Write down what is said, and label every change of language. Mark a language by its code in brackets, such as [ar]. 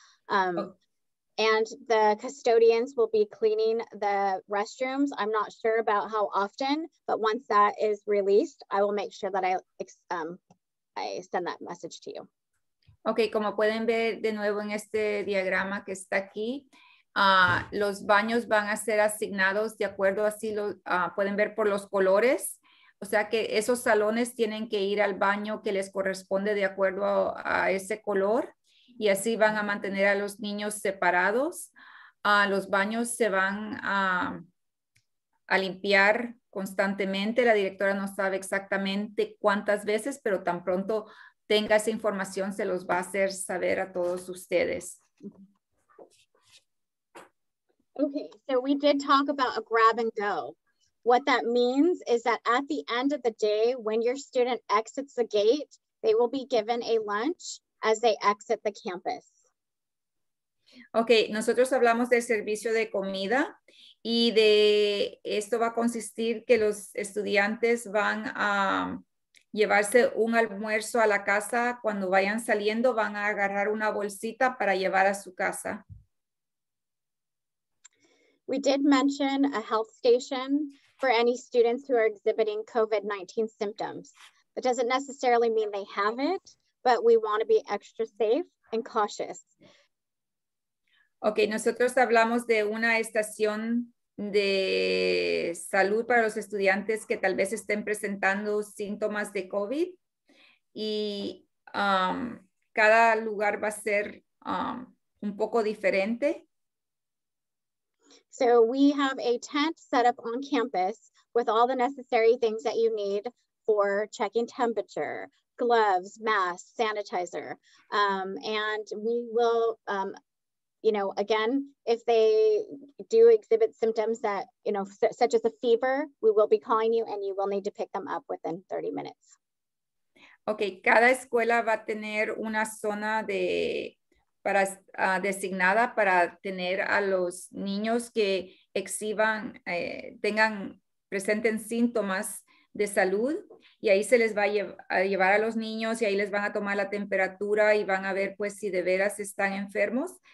[en] And the custodians will be cleaning the restrooms. I'm not sure about how often, but once that is released, I will make sure that I send that message to you. [es] Okay, como pueden ver de nuevo en este diagrama que está aquí, los baños van a ser asignados de acuerdo así, pueden ver por los colores, o sea que esos salones tienen que ir al baño que les corresponde de acuerdo a ese color y así van a mantener a los niños separados. Los baños se van a limpiar constantemente, la directora no sabe exactamente cuántas veces, pero tan pronto tenga esa información, se los va a hacer saber a todos ustedes. [en] Okay, so we did talk about a grab and go. What that means is that at the end of the day, when your student exits the gate, they will be given a lunch as they exit the campus. [es] Okay, nosotros hablamos del servicio de comida y de esto va a consistir que los estudiantes van a llevarse un almuerzo a la casa, cuando vayan saliendo van a agarrar una bolsita para llevar a su casa. [en] We did mention a health station for any students who are exhibiting COVID-19 symptoms. That doesn't necessarily mean they have it, but we want to be extra safe and cautious. [es] Okay, nosotros hablamos de una estación de salud para los estudiantes que tal vez estén presentando síntomas de COVID y cada lugar va a ser un poco diferente. [en] So we have a tent set up on campus with all the necessary things that you need for checking temperature, gloves, masks, sanitizer, and we will you know, again, if they do exhibit symptoms that, you know, such as a fever, we will be calling you and you will need to pick them up within 30 minutes. [es] Okay, cada escuela va a tener una zona de para designada para tener a los niños que exhiban, tengan, presenten síntomas de salud y ahí se les va a llevar a los niños y ahí les van a tomar la temperatura y van a ver pues si de veras están enfermos.